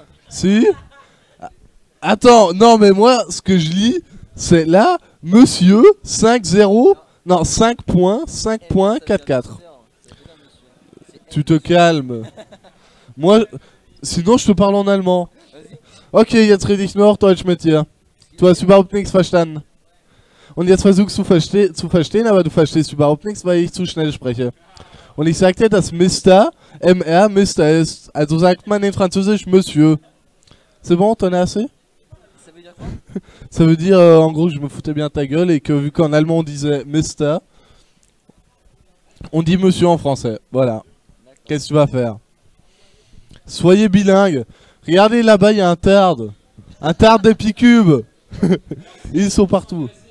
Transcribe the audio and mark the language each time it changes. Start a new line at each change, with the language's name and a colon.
French: Si. Attends, non, mais moi, ce que je lis, c'est là, Monsieur 50. Non, 5.5.44. Tu te calmes. Moi, sinon, je te parle en allemand.
German: Ok, jetzt rede ich nur Deutsch mit dir. Du hast überhaupt nichts verstanden. Und jetzt versuchst du zu verstehen, aber du verstehst überhaupt nichts, weil ich zu schnell spreche. Und ich sagte, dass Mr. MR Mr. ist. Also sagt man in Französisch Monsieur.
French: C'est bon, t'en as assez? Ça veut dire en gros, je me foutais bien ta gueule et que vu qu'en allemand on disait Mister, on dit monsieur en français. Voilà. D'accord. Qu'est-ce que tu vas faire? Soyez bilingue. Regardez là-bas, il y a un tard. Un tard d'Epicube. Ils sont partout.